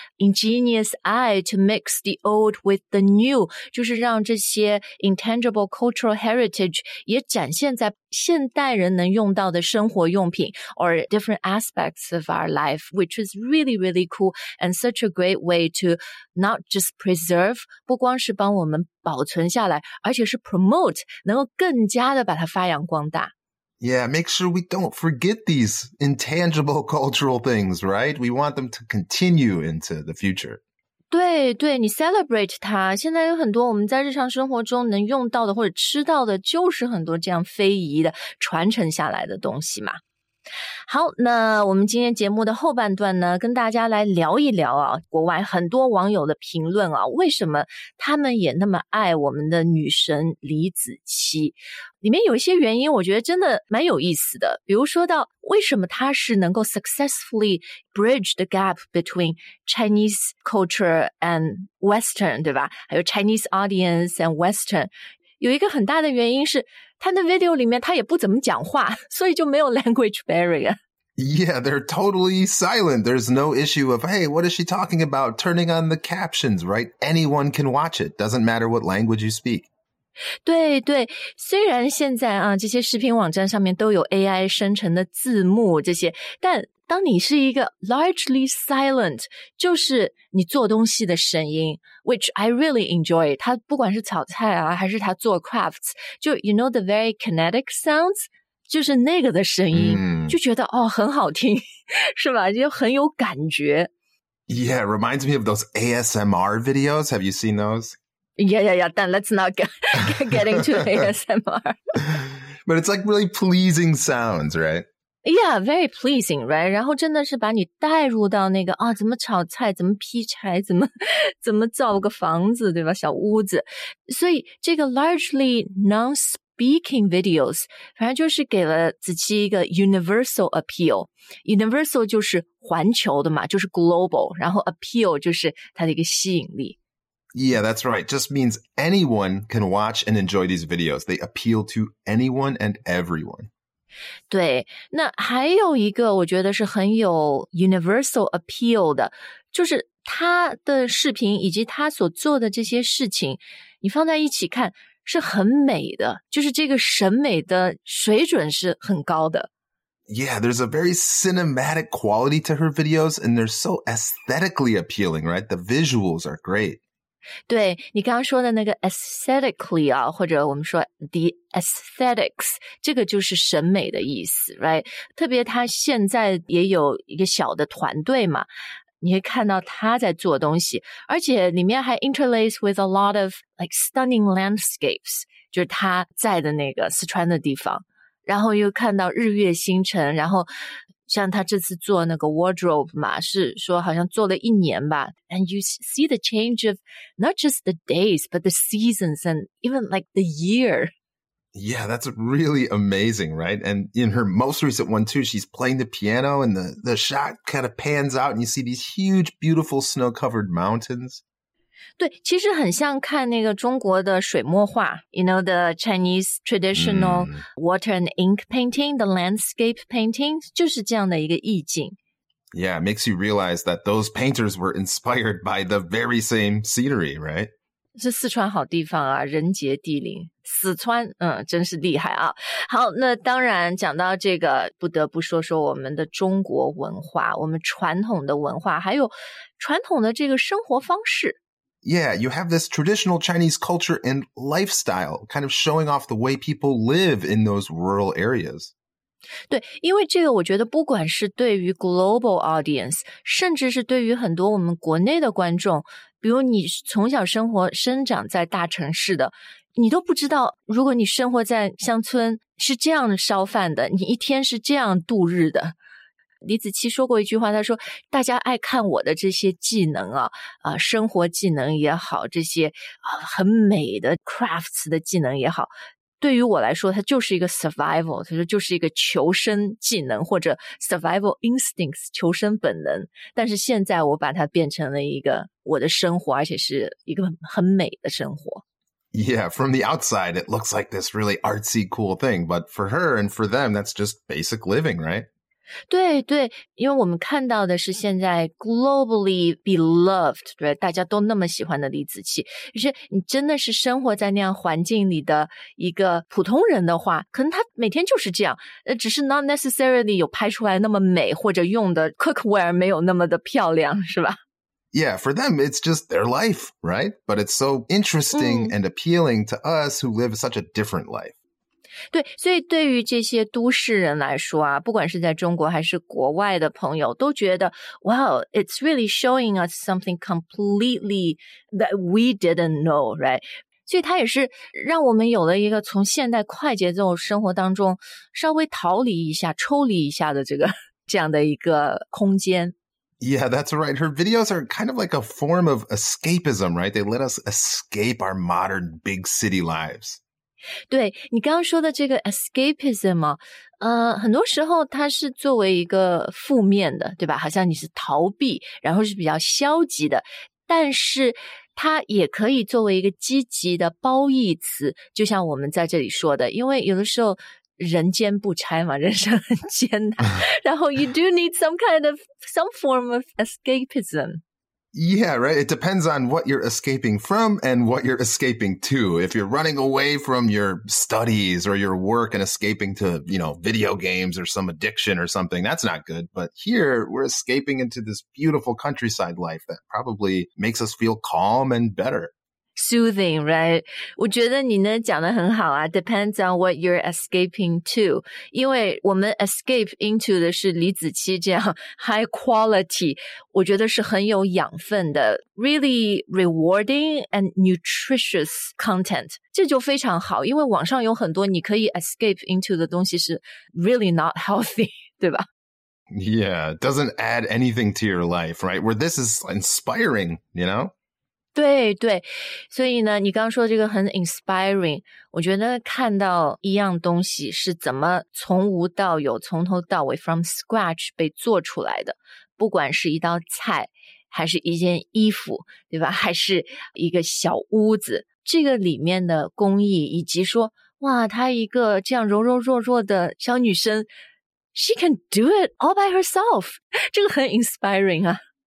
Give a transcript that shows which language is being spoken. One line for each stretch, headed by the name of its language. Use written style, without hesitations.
English: ingenious eye to mix the old with the new，
Chinese: 就是让这些
English: intangible cultural heritage
Chinese: 也展现在现代人能用到的生活用品
English: or different aspects of our life， which is really really cool and such a great way to not just preserve，
Chinese: 不光是帮我们保存下来，而且是
English: promote，
Chinese: 能够更加的把它发扬光大。
English: Yeah, make sure we don't forget these intangible cultural things, right? We want them to continue into the future.
Chinese: 对对，你 celebrate 它。现在有很多我们在日常生活中能用到的或者吃到的，就是很多这样非遗的传承下来的东西嘛。好，那我们今天节目的后半段呢，跟大家来聊一聊啊，国外很多网友的评论啊，为什么他们也那么爱我们的女神李子柒？里面有一些原因，我觉得真的蛮有意思的。比如说到为什么她是能够
English: successfully bridge the gap between Chinese culture and Western，
Chinese: 对吧？还有
English: Chinese audience and Western，
Chinese: 有一个很大的原因是。他的 video 里面他也不怎么讲话，所以就没有
English: language barrier. Yeah, they're totally silent. There's no issue of, hey, what is she talking about? Turning on the captions, right? Anyone can watch it. Doesn't matter what language you speak.
Chinese: 对对，虽然现在啊，这些视频网站上面都有 AI 生成的字幕这些，但当你是一个
English: largely silent,
Chinese: 就是你做东西的声音 ,
English: which I really enjoy,
Chinese: 它不管是炒菜啊还是它做 crafts, 就
English: you know the very kinetic sounds,
Chinese: 就是那个的声音、就觉得哦很好听是吧就很有感觉。
English: Yeah, it reminds me of those ASMR videos, have you seen those? Yeah, yeah, yeah, but let's not get into ASMR. But it's like really pleasing sounds, right? Yeah, very pleasing, right?
Chinese: 然后真的是把你带入到那个啊，怎么炒菜，怎么劈柴，怎么造个房子，对吧？小屋子。所以这个
English: largely non-speaking videos,
Chinese: 反正就是给了子柒一个
English: universal appeal.
Chinese: Universal 就是环球的嘛，就是 global, 然后 appeal 就是它的一个吸引力。
English: Yeah, that's right. Just means anyone can watch and enjoy these videos. They appeal to anyone and everyone.
Chinese: 对，那还有一个我觉得是很有
English: universal appeal
Chinese: 的，就是他的视频以及他所做的这些事情，你放在一起看是很美的，就是这个审美的水准是很高的。
English: Yeah, there's a very cinematic quality to her videos, and they're so aesthetically appealing, right? The visuals are great.
Chinese: 对你刚刚说的那个 aesthetically 啊，或者我们说
English: the aesthetics，
Chinese: 这个就是审美的意思 ，right？特别他现在也有一个小的团队嘛，你会看到他在做东西，而且里面还
English: interlace with a lot of like stunning landscapes，
Chinese: 就是他在的那个四川的地方，然后又看到日月星辰，然后。像他这次做那个 wardrobe 嘛，是说好像做了一年吧。
English: And you see the change of not just the days, but the seasons and even like the year. Yeah, that's really amazing, right? And in her most recent one too, she's playing the piano and the shot kind of pans out and you see these huge, beautiful snow-covered mountains.
Chinese: 对，其实很像看那个中国的水墨画 ,
English: you know, the Chinese traditional water and ink painting, the landscape painting,
Chinese: 就是这样的一个意境。
English: Yeah, it makes you realize that those painters were inspired by the very same scenery, right?
Chinese: 是四川好地方啊，人杰地灵。四川，嗯，真是厉害啊。好，那当然讲到这个，不得不说说我们的中国文化，我们传统的文化，还有传统的这个生活方式。
English: Yeah, you have this traditional Chinese culture and lifestyle, kind of showing off the way people live in those rural areas.
Chinese: 对，因为这个我觉得不管是对于
English: global audience,
Chinese: 甚至是对于很多我们国内的观众，比如你从小生活生长在大城市的，你都不知道如果你生活在乡村是这样烧饭的，你一天是这样度日的。李子柒说过一句话，他说大家爱看我的这些技能啊，生活技能也好，这些很美的 crafts 的技能也好，对于我来说它就是一个 survival, 它就是一个求生技能或者
English: survival instincts,
Chinese: 求生本能。但是现在我把它变成了一个我的生活，而且是一个很美的生活。
English: Yeah, from the outside, it looks like this really artsy cool thing, but for her and for them, that's just basic living, right?
Chinese: 对对，因为我们看到的是现在
English: globally beloved,
Chinese: 对，大家都那么喜欢的李子柒，就是你真的是生活在那样环境里的一个普通人的话，可能他每天就是这样，只是
English: not necessarily
Chinese: 有拍出来那么美，或者用的 cookware 没有那么的漂亮，是吧？
English: Yeah, for them, it's just their life, right? But it's so interesting and appealing to us who live such a different life.
Chinese: 对，所以对于这些都市人来说啊，不管是在中国还是国外的朋友，都觉得
English: wow, it's really showing us something completely that we didn't know, right?
Chinese: 所以它也是让我们有了一个从现代快节奏生活当中稍微逃离一下、抽离一下的这样的一个空间。
English: Yeah, that's right. Her videos are kind of like a form of escapism, right? They let us escape our modern big city lives.
Chinese: 对，你刚刚说的这个 escapism 啊，很多时候它是作为一个负面的，对吧？好像你是逃避，然后是比较消极的，但是它也可以作为一个积极的褒义词，就像我们在这里说的，因为有的时候人间不拆嘛，人生很艰难，然后
English: you do need some form of escapism. Yeah, right. It depends on what you're escaping from and what you're escaping to. If you're running away from your studies or your work and escaping to, you know, video games or some addiction or something, that's not good. But here, we're escaping into this beautiful countryside life that probably makes us feel calm and better. Soothing, right?
Chinese: 我觉得你呢讲得很好啊。
English: Depends on what you're escaping to.
Chinese: 因为我们
English: escape into
Chinese: 的是李子柒这样
English: high quality,
Chinese: 我觉得是很有养分的
English: really rewarding and nutritious content.
Chinese: 这就非常好，因为网上有很多你可以
English: escape into
Chinese: 的东西是
English: really not healthy,
Chinese: 对吧？
English: Yeah, it doesn't add anything to your life, right? Where this is inspiring, you know?
Chinese: 对对，所以呢，你刚刚说这个很 inspiring， 我觉得看到一样东西是怎么从无到有，从头到尾
English: from scratch
Chinese: 被做出来的，不管是一道菜，还是一件衣服，对吧？还是一个小屋子，这个里面的工艺，以及说，哇，她一个这样柔柔弱弱的小女生，
English: she can do it all by herself，
Chinese: 这个很 inspiring 啊。